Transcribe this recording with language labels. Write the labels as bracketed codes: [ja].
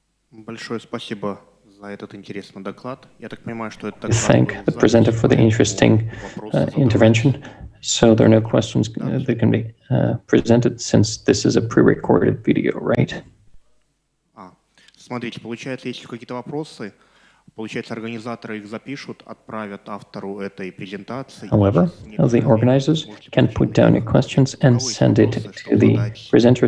[ru] Большое спасибо за этот интересный доклад. Я так понимаю, что это [en] Thank the presenter for the interesting intervention. So there are no questions that can be presented since this is a pre-recorded video, right? [ru] Смотрите, получается, если какие-то вопросы, получается, организаторы их запишут, отправят автору этой презентации. [en] However, the organizers can put down your questions and send it to the presenter.